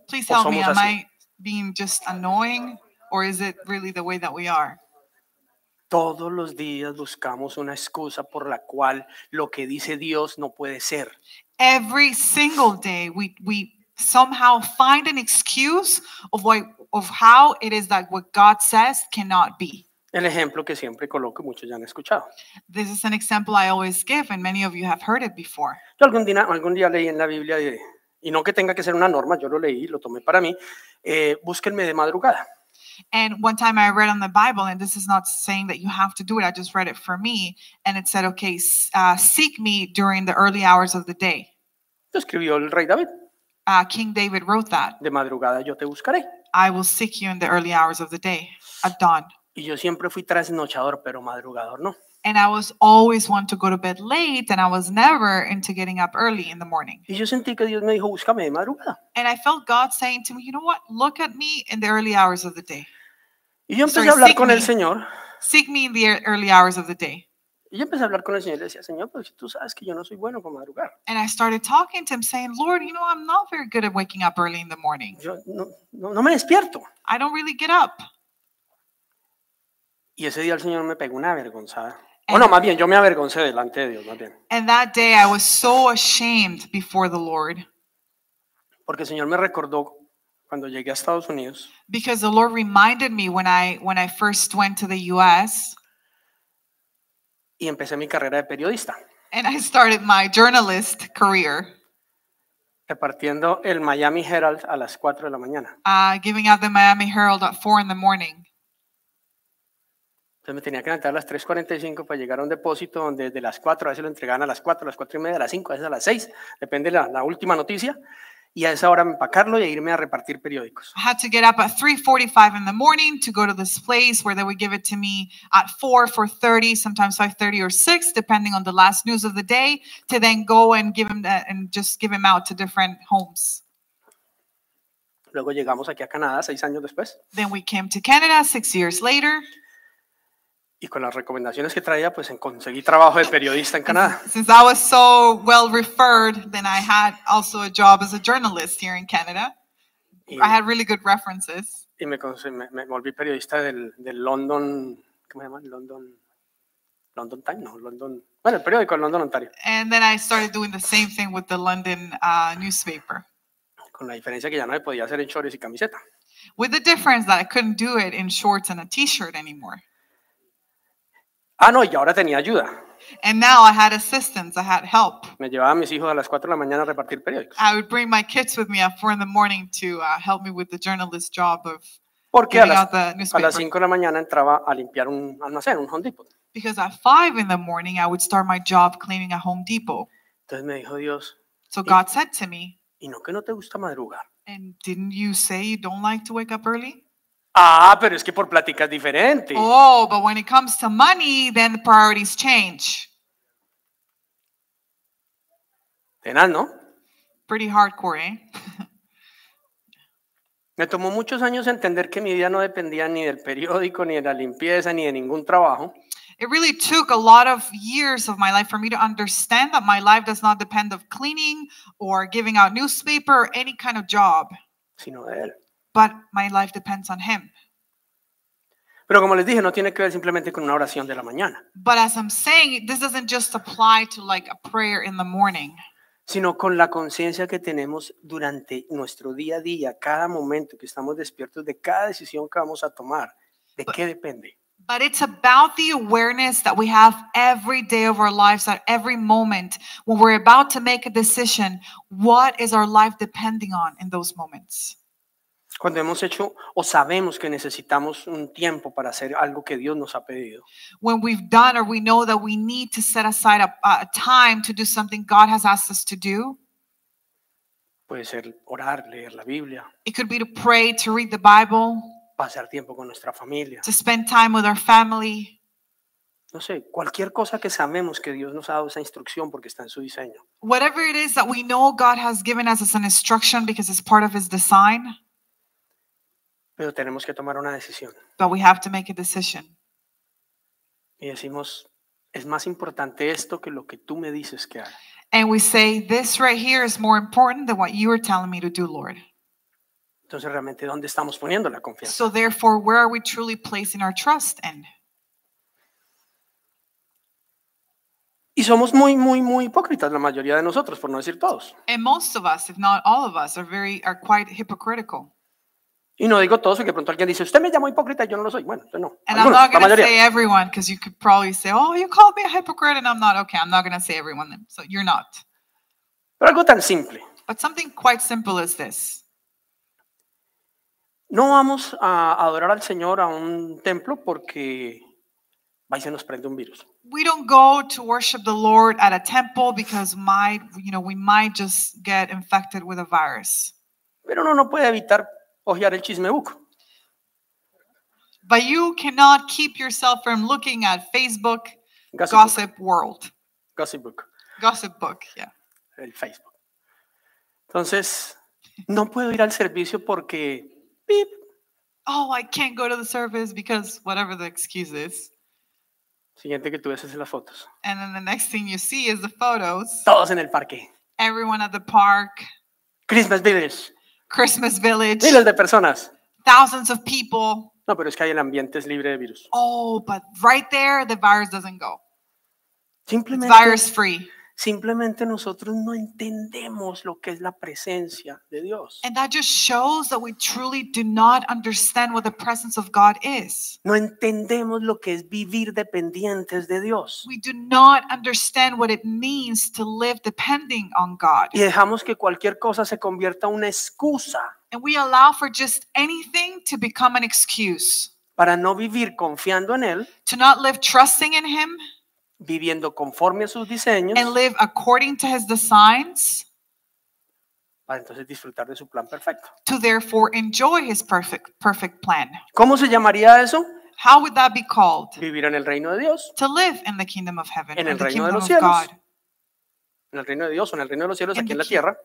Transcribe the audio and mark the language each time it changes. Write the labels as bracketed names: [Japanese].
[English] Please help me. Am [Spanish] así? [English] I being just annoying, or is it really the way that we are? [Spanish] Todos los días buscamos una excusa por la cual lo que dice Dios no puede ser. [English] Every single day we somehow find an excuse of how it is that what God says cannot be. [Spanish] El ejemplo que siempre coloco, muchos ya han escuchado. [English] This is an example I always give, and many of you have heard it before. [Spanish] Yo algún día leí en la Biblia de, y no que tenga que ser una norma, yo lo leí, lo tomé para mí, búsquenme de madrugada. [English] And one time I read on the Bible, and this is not saying that you have to do it, I just read it for me, and it said, okay, seek me during the early hours of the day. [Spanish] Lo escribió el rey David. [English] King David wrote that. [Spanish] De madrugada yo te buscaré. [English] I will seek you in the early hours of the day, at dawn. [Spanish] Y yo siempre fui trasnochador, pero madrugador no. [English] And I was always one to go to bed late, and I was never into getting up early in the morning. [Spanish] Y yo sentí que Dios me dijo, búscame de madrugada. [English] And I felt God saying to me, you know what? Look at me in the early hours of the day. [Spanish] Y yo empecé a hablar con el Señor. [English] Seek me in the early hours of the day. [Spanish] Y yo empecé a hablar con el Señor y le decía, Señor, pues tú sabes que yo no soy bueno para madrugar. [English] And I started talking to him, saying, Lord, you know, I'm not very good at waking up early in the morning. [Spanish] Yo no me despierto. [English] I don't really get up. [Spanish] Y ese día el Señor me pegó una avergonzada. Bueno, más bien, yo me avergoncé delante de Dios, más bien. [English] And that day I was so ashamed before the Lord. [Spanish] Porque el Señor me recordó cuando llegué a Estados Unidos. [English] Because the Lord reminded me when I first went to the U.S. [Spanish] Y empecé mi carrera de periodista. [English] And I started my journalist career. [Spanish] Repartiendo el Miami Herald a las 4 de la mañana. [English] Giving out the Miami Herald at 4 in the morning. [Spanish] Entonces me tenía que levantar a las 3:45 para llegar a un depósito donde desde las 4, a veces lo entregaban a las 4 y media, a las 5, a veces a las 6, depende de la última noticia, y a esa hora empacarlo y irme a repartir periódicos. [English] I had to get up at 3:45 in the morning to go to this place where they would give it to me at 4:30, sometimes 5:30 or 6, depending on the last news of the day, to then go and give them that and just give them out to different homes. [Spanish] Luego llegamos aquí a Canadá 6 años después. [English] Then we came to Canada 6 years later. [Spanish] Y con las recomendaciones que traía, pues conseguí trabajo de periodista en Canadá. [English] Since I was so well referred, then I had also a job as a journalist here in Canada. I had really good references. [Spanish] Y me volví periodista del London, ¿cómo se llama? London Times, no, London Bueno, el periódico en London, Ontario. [English] And then I started doing the same thing with the London newspaper. [Spanish] Con la diferencia que ya no se podía hacer en shorts y camiseta. [English] With the difference that I couldn't do it in shorts and a t-shirt anymore. [Spanish] Ah, no, y ahora tenía ayuda. [English] And now I had assistance, I had help. [Spanish] Me llevaba a mis hijos a las 4 de la mañana a repartir periódicos. [English] I would bring my kids with me at 4 in the morning to help me with the journalist job of [Spanish] Porque [English] giving out the newspaper. [Spanish] A las 5 de la mañana entraba a limpiar un almacén, un Home Depot. [English] Because at 5 in the morning I would start my job cleaning a Home Depot. [Spanish] Entonces me dijo Dios. [English] So God said to me, [Spanish] ¿y no que no te gusta madrugar? [English] And didn't you say you don't like to wake up early? [Spanish] Ah, pero es que por plática es diferente. [English] Oh, but when it comes to money, then the priorities change. [Spanish] Tenaz, ¿no? [English] Pretty hardcore, eh? [Spanish] Me tomó muchos años entender que mi vida no dependía ni del periódico, ni de la limpieza, ni de ningún trabajo. [English] It really took a lot of years of my life for me to understand that my life does not depend of cleaning or giving out newspaper or any kind of job. [Spanish] Sino de él. [English] But my life depends on him. [Spanish] Pero como les dije, no tiene que ver simplemente con una oración de la mañana. [English] But as I'm saying, this doesn't just apply to like a prayer in the morning. [Spanish] Sino con la conciencia que tenemos durante nuestro día a día, cada momento que estamos despiertos de cada decisión que vamos a tomar, ¿de qué depende? [English] But it's about the awareness that we have every day of our lives, at every moment when we're about to make a decision, what is our life depending on in those moments? [Spanish] Cuando hemos hecho o sabemos que necesitamos un tiempo para hacer algo que Dios nos ha pedido. [English] When we've done or we know that we need to set aside a time to do something God has asked us to do. [Spanish] Puede ser orar, leer la Biblia. [English] It could be to pray, to read the Bible. [Spanish] Pasar tiempo con nuestra familia. [English] To spend time with our family. [Spanish] No sé, cualquier cosa que sabemos que Dios nos ha dado esa instrucción porque está en su diseño. [English] Whatever it is that we know God has given us as an instruction because it's part of his design. [Spanish] Pero tenemos que tomar una decisión. [English] But we have to make a decision. [Spanish] Y decimos, es más importante esto que lo que tú me dices que haga. [English] And we say, this right here is more important than what you are telling me to do, Lord. [Spanish] Entonces, realmente, ¿dónde estamos poniendo la confianza? [English] So therefore, where are we truly placing our trust in? [Spanish] Y somos muy, muy, muy hipócritas, la mayoría de nosotros, por no decir todos. [English] And most of us, if not all of us, are quite hypocritical. [Spanish] Y no digo todos, porque pronto alguien dice, usted me llama hipócrita y yo no lo soy. Bueno, entonces no. [English] And [Spanish] algunos, [English] I'm not going to say everyone, because you could probably say, oh, you called me a hypocrite and I'm not. Okay, I'm not going to say everyone then. So you're not. [Spanish] Pero algo tan simple. [English] But something quite simple is this. [Spanish] No vamos a adorar al Señor a un templo porque va y se nos prende un virus. [English] We don't go to worship the Lord at a temple because we might just get infected with a virus. [Spanish] Pero uno no puede evitar ojear el chismebook. [English] But you cannot keep yourself from looking at Facebook gossip world. Gossip book. Gossip book, yeah. [Spanish] El Facebook. Entonces, no puedo ir al servicio porque beep. [English] Oh, I can't go to the service because whatever the excuse is. [Spanish] Siguiente que tú ves es las fotos. [English] And then the next thing you see is the photos. [Spanish] Todos en el parque. [English] Everyone at the park. Christmas village. Christmas village. [Spanish] Miles de personas. [English] Thousands of people. [Spanish] No, pero es que ahí el ambiente es libre de virus. [English] Oh, but right there, the virus doesn't go. [Spanish] Simplemente, [English] it's virus free. [Spanish] Simplemente nosotros no entendemos lo que es la presencia de Dios. [English] And that just shows that we truly do not understand what the presence of God is. [Spanish] No entendemos lo que es vivir dependientes de Dios. [English] We do not understand what it means to live depending on God. [Spanish] Y dejamos que cualquier cosa se convierta en una excusa. [English] And we allow for just anything to become an excuse. [Spanish] Para no vivir confiando en Él. [English] To not live trusting in Him. [Spanish] Viviendo conforme a sus diseños. [English] And live according to his designs. [Spanish] Para entonces disfrutar de su plan perfecto. [English] To therefore enjoy his perfect plan. [Spanish] ¿Cómo se llamaría eso? [English] How would that be called? [Spanish] Vivir en el reino de Dios. [English] To live in the kingdom of heaven. [Spanish] En el reino de los cielos. En el reino de Dios o en el reino de los cielos aquí en la tierra.